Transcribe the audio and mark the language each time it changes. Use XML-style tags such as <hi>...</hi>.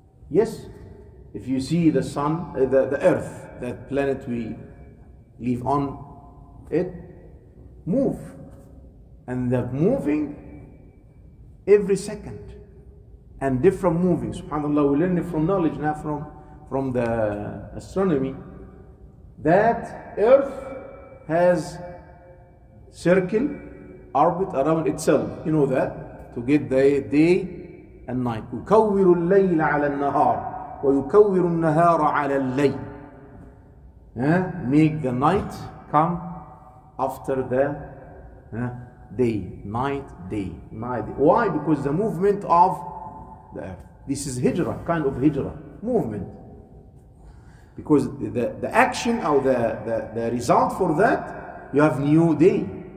<en>Yes, if you see the sun, the earth, that planet we live on, it move, and the moving every second, and different moving. Subhanallah, we learn it from knowledge now, from the astronomy, that Earth has circle, orbit around itself. You know that, to get the day and night.</en> <ar>يكور الليل على النهار ويكور النهار على الليل.</ar> <en>Make the night come after the day, night. Why? Because the movement of the earth. This is hijrah, kind of hijrah, movement. Because the action or the result for that you have new day.</en>